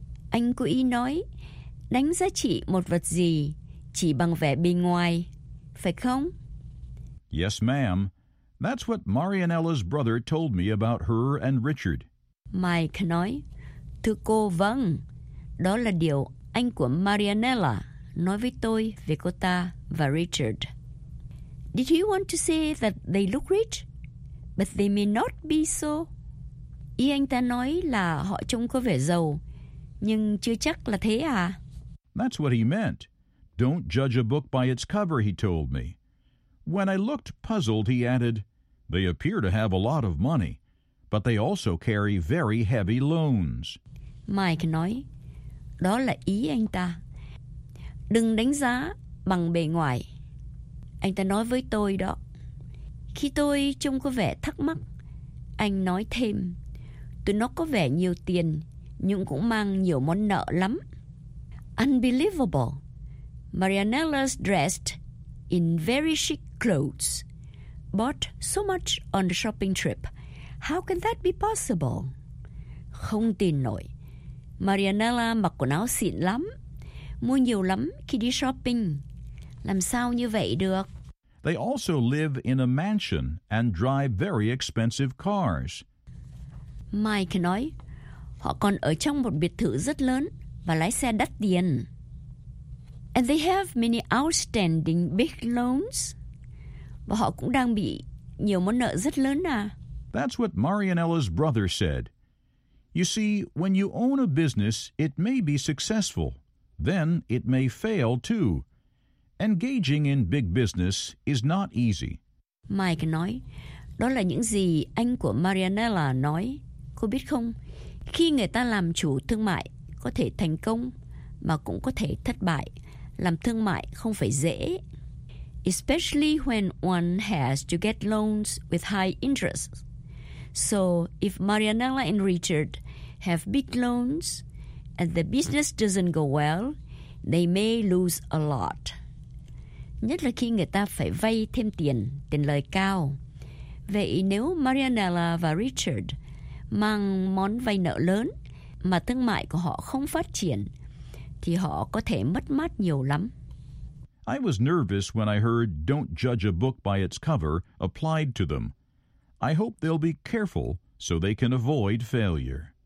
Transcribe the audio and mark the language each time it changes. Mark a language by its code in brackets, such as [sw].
[vi] Anh cố ý nói, đánh giá trị một vật gì chỉ bằng vẻ bên ngoài, phải không? [en] Yes, ma'am. That's what Marianella's brother told me about her and Richard. [vi] Mike nói, thưa cô, vâng, đó là điều anh của Marianella nói với tôi về cô ta và Richard. [en] Did he want to say that they look rich? But they may not be so. [vi] Ý anh ta nói là họ trông có vẻ giàu, nhưng chưa chắc là thế à? [en] That's what he meant. Don't judge a book by its cover, he told me. When I looked puzzled, he added, they appear to have a lot of money, but they also carry very heavy loans. [vi] Mike nói, đó là ý anh ta. Đừng đánh giá bằng bề ngoài. Anh ta nói với tôi đó. Khi tôi trông có vẻ thắc mắc, anh nói thêm, tụi nó có vẻ nhiều tiền, nhưng cũng mang nhiều món nợ lắm. [en] Unbelievable. Marianella's dressed in very chic clothes, bought so much on the shopping trip. How can that be possible? [vi] Không tin nổi. Marianella mặc quần áo xịn lắm, mua nhiều lắm khi đi shopping. Làm sao như vậy được? [en] They also live in a mansion and drive very expensive cars. [vi] Mike nói, họ còn ở trong một biệt thự rất lớn và lái xe đắt tiền. [en] And they have many outstanding big loans. [vi] Và họ cũng đang bị nhiều món nợ rất lớn à. [en] That's what Marianella's brother said. You see, when you own a business, it may be successful. Then it may fail, too. Engaging in big business is not easy. [vi] Mike nói, đó là những gì anh của Marianella nói. Cô biết không, khi người ta làm chủ thương mại, có thể thành công, mà cũng có thể thất bại. Làm thương mại không phải dễ. [en] Especially when one has to get loans with high interest. So if Marianella and Richard have big loans and the business doesn't go well, they may lose a lot. [vi] Nhất là khi người ta phải vay thêm tiền, tiền lời cao. Vậy nếu Marianella và Richard mang món vay nợ lớn mà thương mại của họ không phát triển, thì họ có thể mất mát nhiều lắm. [en] I was nervous when I heard don't judge a book by its cover applied to them. I hope they'll be careful so they can avoid failure.